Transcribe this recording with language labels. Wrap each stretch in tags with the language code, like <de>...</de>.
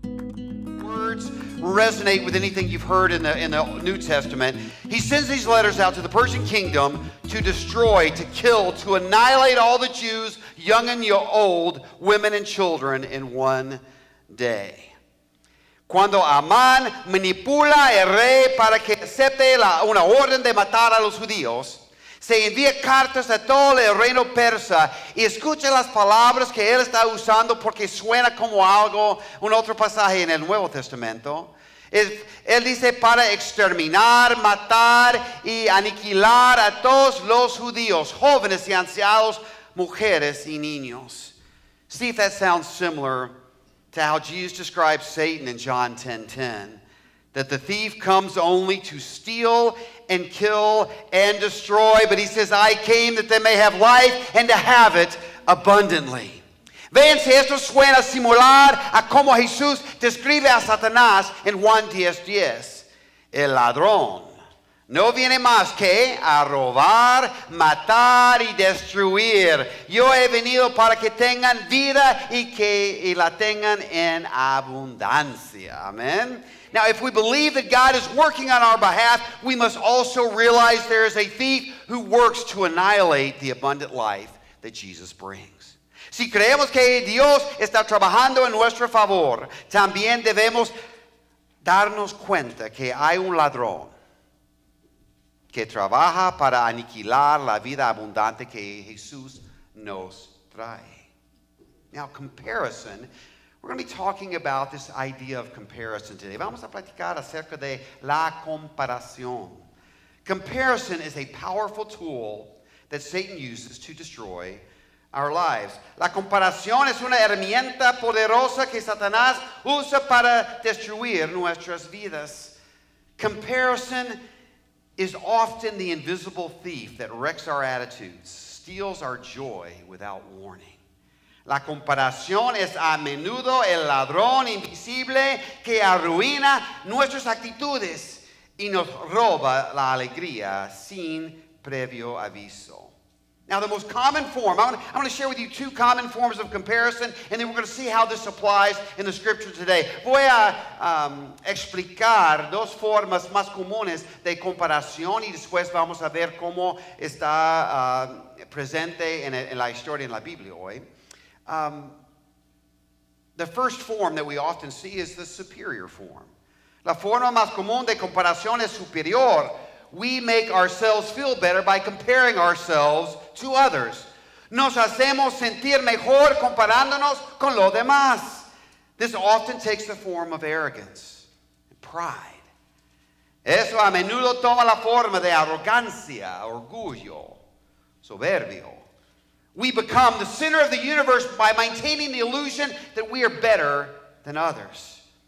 <en>resonate with anything you've heard in the New Testament, he sends these letters out to the Persian kingdom to destroy, to kill, to annihilate all the Jews, young and old, women and children, in one day.</en> <es>Cuando Amán manipula el rey para que acepte una orden de matar a los judíos, se envía cartas a todo el reino persa y escucha las palabras que él está usando porque suena como algo, un otro pasaje en el Nuevo Testamento. Él dice para exterminar, matar y aniquilar a todos los judíos, jóvenes y ancianos, mujeres y niños.</es> <en>See if that sounds similar to how Jesus describes Satan in John 10:10. That the thief comes only to steal and kill and destroy, but he says, I came that they may have life and to have it abundantly.</en> <es>Vean si esto suena similar a como Jesús describe a Satanás en Juan 10:10. El ladrón no viene más que a robar, matar y destruir. Yo he venido para que tengan vida y que la tengan en abundancia.</es> <en>Amen. Now, if we believe that God is working on our behalf, we must also realize there is a thief who works to annihilate the abundant life that Jesus brings.</en> <es>Si creemos que Dios está trabajando en nuestro favor, también debemos darnos cuenta que hay un ladrón que trabaja para aniquilar la vida abundante que Jesús nos trae.</es> <en>Now, comparison. We're going to be talking about this idea of comparison today.</en> <es>Vamos a platicar acerca de la comparación.</es> <en>Comparison is a powerful tool that Satan uses to destroy our lives.</en> <es>La comparación es una herramienta poderosa que Satanás usa para destruir nuestras vidas.</es> <en>Comparison is often the invisible thief that wrecks our attitudes, steals our joy without warning.</en> <es>La comparación es a menudo el ladrón invisible que arruina nuestras actitudes y nos roba la alegría sin previo aviso.</es> <en>Now, the most common form, I'm going to share with you two common forms of comparison, and then we're going to see how this applies in the scripture today.</en> <es>Voy a explicar dos formas más comunes de comparación y después vamos a ver cómo está presente en la historia en la Biblia hoy.</es> <en>The first form that we often see is the superior form.</en> <es>La forma más común de comparación es superior.</es> <en>We make ourselves feel better by comparing ourselves to others.</en> <es>Nos hacemos sentir mejor comparándonos con los demás.</es> <en>This often takes the form of arrogance, pride.</en> <es>Eso a menudo toma la forma de arrogancia, orgullo, soberbio.</es> <en>We become the center of the universe by maintaining the illusion that we are better than others.</en>